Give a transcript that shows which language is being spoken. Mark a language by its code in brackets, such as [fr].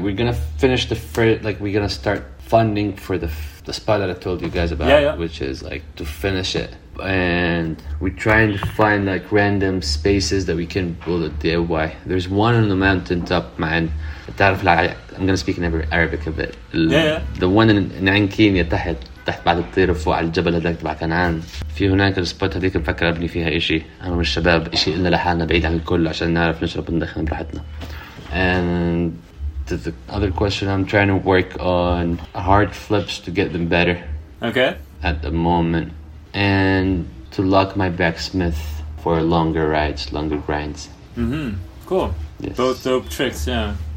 [en] We're going to finish the first, like, we're going to start funding for the spot that I told you guys about, which is like to finish it, and we're trying to find like random spaces that we can build a DIY. There's one on the mountain top, man. I'm gonna speak in Arabic a bit. The one in Ankin, [ar] تحت بعد الطير فوق على الجبل هذاك تبع كنعان في هناك السبوت هذيك مفكر ابني فيها اشي انا والشباب اشي الا لحالنا بعيد عن الكل عشان نعرف نشرب ندخن براحتنا. [en] And the other question, I'm trying to work on hard flips to get them better. Okay. At the moment. And to lock my backsmith for longer rides, longer grinds. Mm-hmm. Cool. Yes. Both dope tricks, yeah.